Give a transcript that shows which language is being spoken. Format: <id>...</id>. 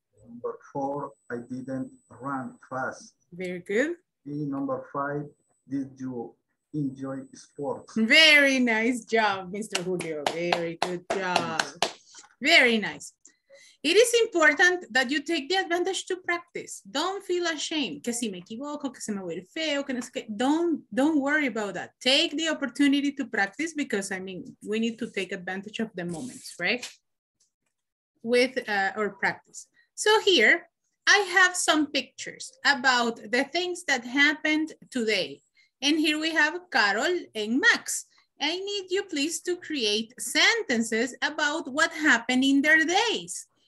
<en>Number four, I didn't run fast. Very good. And number five, did you enjoy sports? Very nice job, Mr. Julio. Very good job. Very nice. It is important that you take the advantage to practice. Don't feel ashamed.</en> <es>Que si me equivoco, que se me vuelve feo, que no sé qué.</es> <en>Don't worry about that. Take the opportunity to practice because, I mean, we need to take advantage of the moments, right? With our practice. So here, I have some pictures about the things that happened today. And here we have Carol and Max. I need you please to create sentences about what happened in their days.</en>